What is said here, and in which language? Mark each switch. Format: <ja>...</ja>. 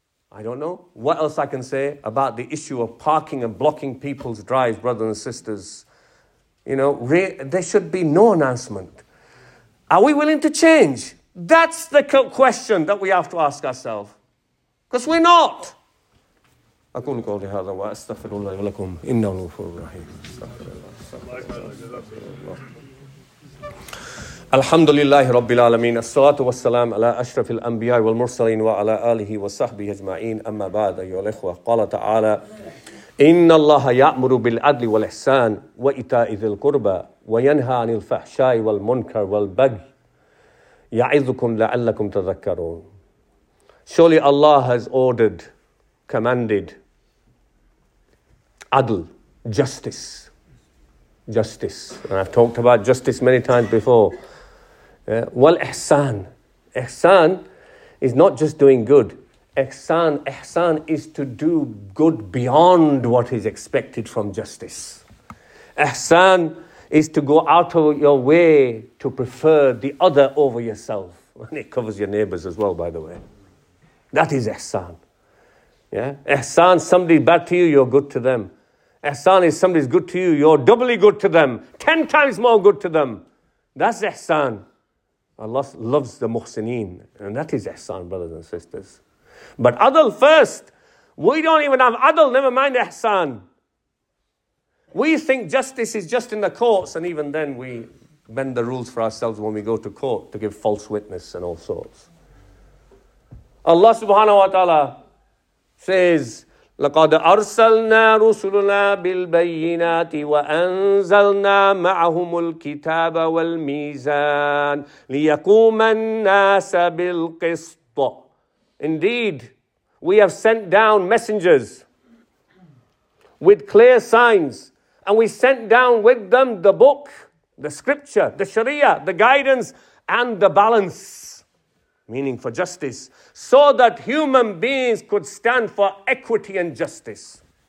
<en>I don't know what else I can say about the issue of parking and blocking people's drives, brothers and sisters. You know, there should be no announcement. Are we willing to change? That's the question that we have to ask ourselves. Because we're not.</en> <ar>أقول قولي هذا وأستغفر الله لكم إنه الغفور الرحيم الحمد لله رب العالمين الصلاة والسلام على أشرف الأنبياء والمرسلين وعلى آله وصحبه أجمعين أما بعد أيها الإخوة قال تعالى إن الله يأمر بالعدل والإحسان وإيتاء ذي القربى وينهى عن الفحشاء والمنكر والبغي يعظكم لعلكم تذكرون.</ar> <en>Surely Allah has ordered, commanded adl, justice. Justice. And I've talked about justice many times before. Wal ihsan. Ihsan is not just doing good. Ihsan is to do good beyond what is expected from justice. Ihsan is to go out of your way to prefer the other over yourself. And it covers your neighbors as well, by the way. That is ihsan. Yeah? Ihsan, somebody's bad to you, you're good to them. Ihsan is somebody's good to you, you're doubly good to them. 10 times more good to them. That's ihsan. Allah loves the muhsineen. And that is ihsan, brothers and sisters. But adl first. We don't even have adl, never mind ihsan. We think justice is just in the courts. And even then we bend the rules for ourselves when we go to court to give false witness and all sorts.</en> <ar>Allah subhanahu wa ta'ala says, لقد أرسلنا رسلنا بالبينات وأنزلنا معهم الكتاب والميزان ليقوم الناس بالقسط.</ar> <en>Indeed, we have sent down messengers with clear signs, and we sent down with them the book, the scripture, the sharia, the guidance, and the balance. Meaning for justice, so that human beings could stand for equity and justice.</en>